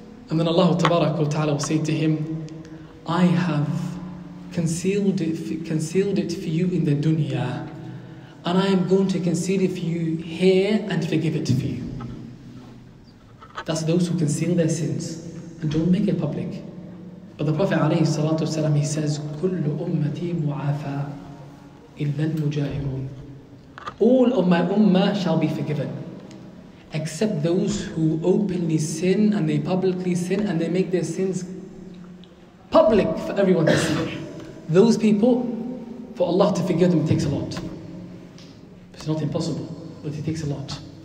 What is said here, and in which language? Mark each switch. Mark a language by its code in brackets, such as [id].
[en] And then Allah Tabarak wa Ta'ala will say to him, I have concealed it for you in the dunya and I am going to conceal it for you here and forgive it for you. That's those who conceal their sins. And don't make it public. But the Prophet [ar] عليه الصلاة والسلام, [en] he says, [ar] كل أمتي معافى إلا المجاهرون. [en] All of my ummah shall be forgiven, except those who openly sin and they publicly sin and they make their sins public for everyone to see. Those people, for Allah to forgive them, it takes a lot. It's not impossible, but it takes a lot.